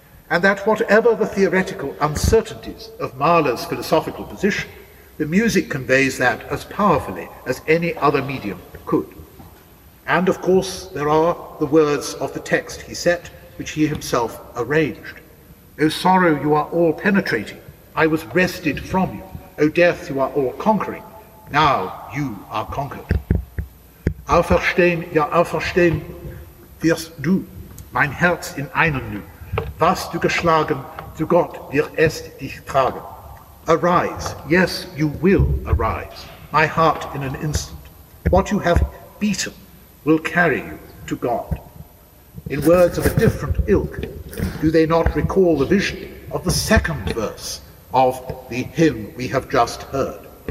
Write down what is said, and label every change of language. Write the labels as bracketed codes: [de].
[en] And that whatever the theoretical uncertainties of Mahler's philosophical position, the music conveys that as powerfully as any other medium could. And of course, there are the words of the text he set, which he himself arranged. O sorrow, you are all penetrating. I was wrested from you. O death, you are all conquering. Now you are conquered. [de] Auferstehen, ja auferstehen wirst du, mein Herz in einem nu. Was du geschlagen, zu Gott wir es dich tragen. [en] Arise, yes, you will arise, my heart in an instant. What you have beaten will carry you to God. In words of a different ilk, do they not recall the vision of the second verse of the hymn we have just heard?